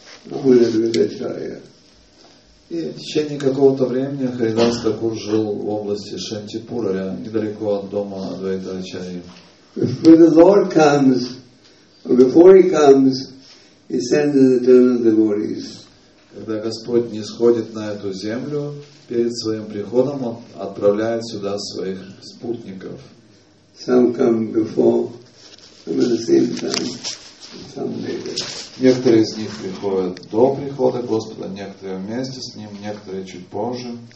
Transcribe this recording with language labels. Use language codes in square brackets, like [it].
[ru] И в течение какого-то времени Харидас Такур жил в области Шантипура, недалеко от дома Адвайта Ачарьи. [en] When the Lord comes, or before He comes, He sends the eternal devotees. [ru] Когда Господь не сходит на эту землю, перед своим приходом Он отправляет сюда своих спутников. [en] Some come before, and at the same time. [ru] Некоторые из них приходят до прихода Господа, некоторые вместе с Ним, некоторые чуть позже.